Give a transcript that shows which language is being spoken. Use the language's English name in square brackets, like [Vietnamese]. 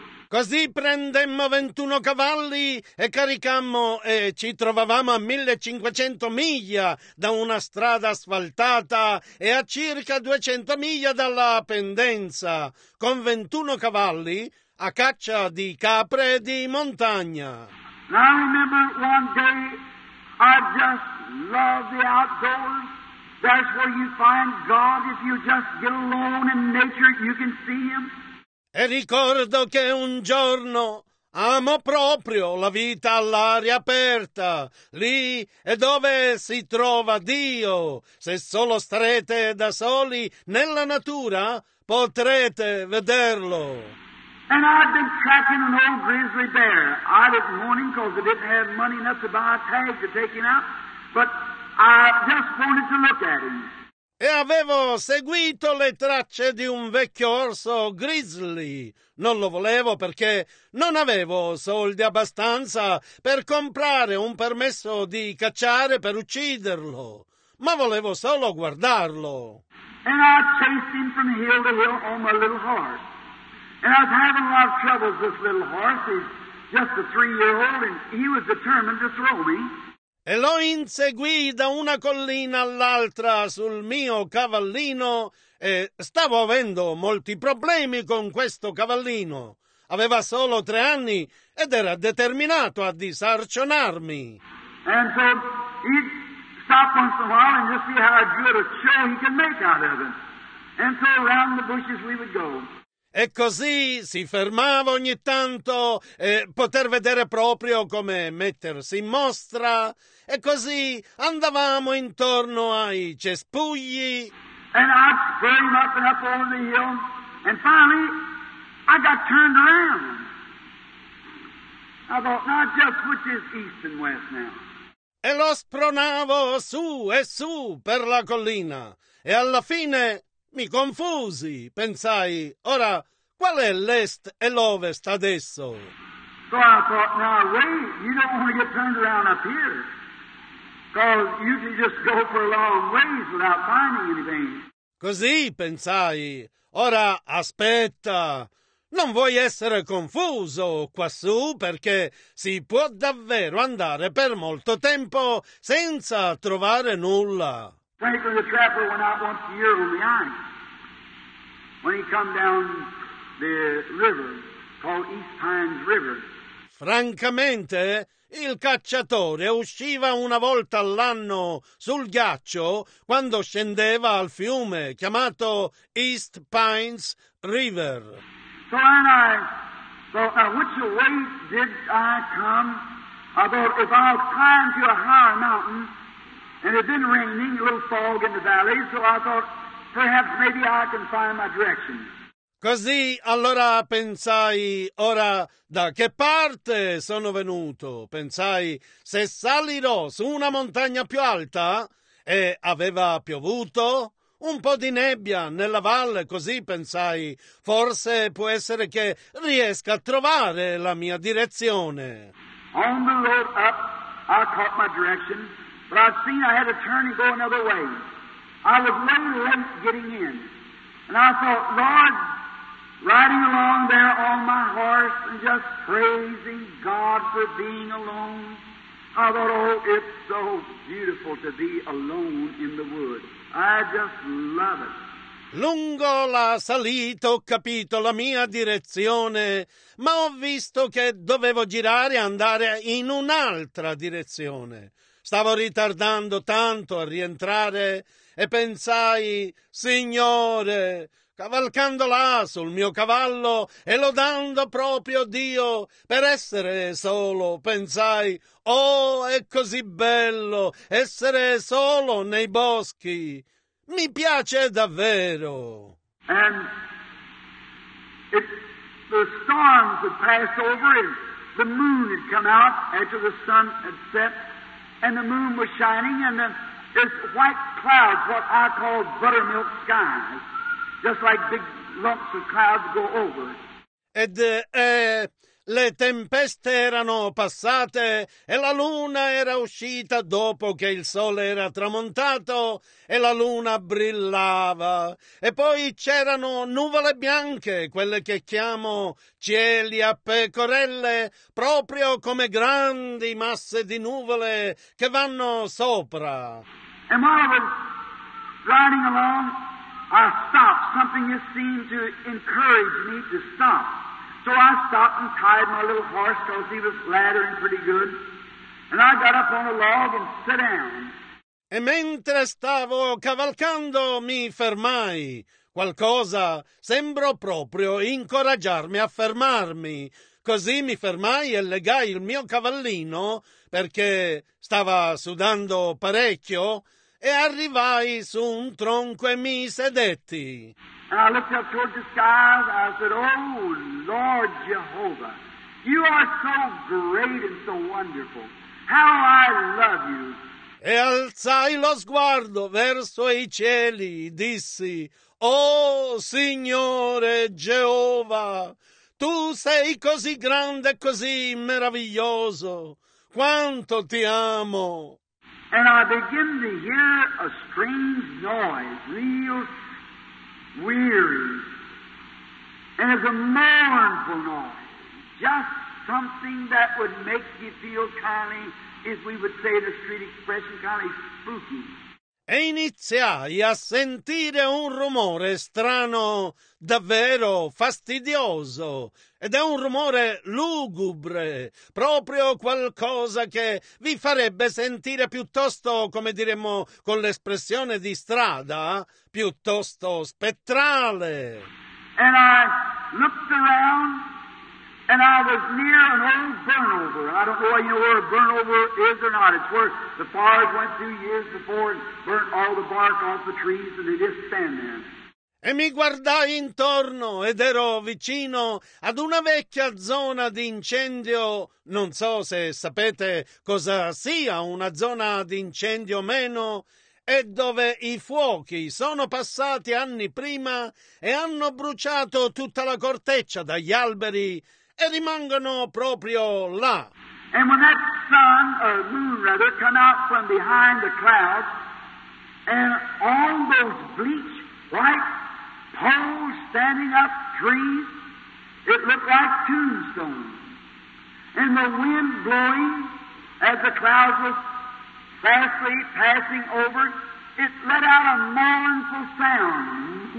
[Italian] Così prendemmo 21 cavalli e caricammo e ci trovavamo a 1500 miglia da una strada asfaltata e a circa 200 miglia dalla pendenza, con 21 cavalli a caccia di capre e di montagna. [English] Now I remember one day I just love the outdoors. That's where you find God. If you just get alone in nature, you can see him. [Italian] E ricordo che un giorno amo proprio la vita all'aria aperta, lì è dove si trova Dio. Se solo starete da soli nella natura, potrete vederlo. [English] And I've been tracking an old grizzly bear. I didn't want him because I didn't have money enough to buy a tag to take him out, but I just wanted to look at him. [Italian] E avevo seguito le tracce di un vecchio orso grizzly. Non lo volevo perché non avevo soldi abbastanza per comprare un permesso di cacciare per ucciderlo, ma volevo solo guardarlo. [English] And I chased him from hill to hill on my little horse. And I was having a lot of troubles with this little horse. He's just a 3-year-old and he was determined to throw me. [Italian] E lo inseguì da una collina all'altra sul mio cavallino e stavo avendo molti problemi con questo cavallino. Aveva solo 3 anni ed era determinato a disarcionarmi. [English] And so he'd stop once in a while and just see how good a show he can make out of it. And so around the bushes we would go. [Italian] E così si fermava ogni tanto poter vedere proprio come mettersi in mostra. E così andavamo intorno ai cespugli. [English] And I'd spray him up and up over the hill. And finally, I got turned around. I thought, now just which is east and west now. [Italian] E lo spronavo su e su per la collina. E alla fine mi confusi, pensai, ora qual è l'est e l'ovest adesso? [English] So I thought, now wait, you don't want to get turned around up here, because you can just go for a long ways without finding anything. [Italian] Così pensai, ora aspetta, non vuoi essere confuso quassù, perché si può davvero andare per molto tempo senza trovare nulla. [English] Franklin the Trapper went out once a year on the ice. When he come down the river called East Pines River. [Italian] Francamente, il cacciatore usciva una volta all'anno sul ghiaccio quando scendeva al fiume chiamato East Pines River. [English] So and I thought, now which way did I come? I thought, if I'll climb to a higher mountain, and it'd been raining, a little fog in the valley, so I thought, perhaps maybe I can find my direction. [Italian] Così allora pensai, ora da che parte sono venuto? Pensai, se salirò su una montagna più alta, e aveva piovuto, un po' di nebbia nella valle, così pensai, forse può essere che riesca a trovare la mia direzione. [English] On the road up, I caught my direction, but I seen I had to turn and go another way. I was way late getting in. And I thought, Lord, riding along there on my horse and just praising God for being alone. I thought, oh, it's so beautiful to be alone in the woods. I just love it. [Italian] Lungo la salita ho capito la mia direzione, ma ho visto che dovevo girare e andare in un'altra direzione. Stavo ritardando tanto a rientrare e pensai, Signore, cavalcando là sul mio cavallo e lodando proprio Dio per essere solo, pensai, oh, è così bello essere solo nei boschi. Mi piace davvero. [English] And it, the storms had passed over and the moon had come out after the sun had set and the moon was shining and there's white clouds, what I call buttermilk skies, just like big lumps of clouds go over. [Italian] Ed le tempeste erano passate e la luna era uscita dopo che il sole era tramontato e la luna brillava. E poi c'erano nuvole bianche, quelle che chiamo cieli a pecorelle, proprio come grandi masse di nuvole che vanno sopra. [English] E while I was riding along, I stopped. Something just seemed to encourage me to stop. So I stopped and tied my little horse because he was lathering pretty good. And I got up on a log and sat down. [Italian] E mentre stavo cavalcando mi fermai. Qualcosa sembrò proprio incoraggiarmi a fermarmi. Così mi fermai e legai il mio cavallino perché stava sudando parecchio e arrivai su un tronco e mi sedetti. [English] And I looked up toward the skies, I said, oh, Lord Jehovah, you are so great and so wonderful. How I love you. [Italian] E alzai lo sguardo verso i cieli, dissi, oh, Signore Geova, tu sei così grande, così meraviglioso. Quanto ti amo. [English] And I begin to hear a strange noise, real weary, and it's a mournful noise, just something that would make you feel kind of, if we would say in a street expression, kind of spooky. [Italian] E iniziai a sentire un rumore strano, davvero fastidioso, ed è un rumore lugubre, proprio qualcosa che vi farebbe sentire piuttosto, come diremmo con l'espressione di strada, piuttosto spettrale. [English] And I looked around and I was near an old burnover. I don't know if you know where a burnover is or not. It's where the fires went through years before and burnt all the bark off the trees and they just stand there. [Italian] E mi guardai intorno ed ero vicino ad una vecchia zona di incendio. Non so se sapete cosa sia una zona di incendio o meno, e dove i fuochi sono passati anni prima e hanno bruciato tutta la corteccia dagli alberi e rimangono proprio là. [English] And when that sun, or moon rather, come out from behind the clouds, and all those bleach white poles standing up, trees, it looked like tombstones. And the wind blowing as the clouds was fastly passing over, it let out a mournful sound.